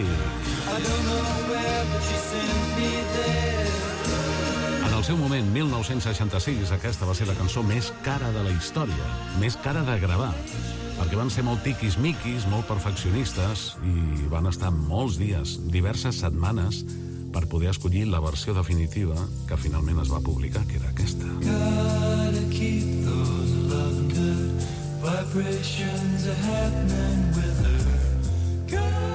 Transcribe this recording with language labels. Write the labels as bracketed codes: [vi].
[en] I don't know where, but she sent me there. [ca] En el seu moment, 1966, aquesta va ser la cançó més cara de la història, més cara de gravar, perquè van ser molt tiquis-miquis, molt perfeccionistes, i van estar molts dies, diverses setmanes, per poder escollir la versió definitiva que finalment es va publicar, que era aquesta. [en] Gotta keep those London vibrations ahead, man, with her.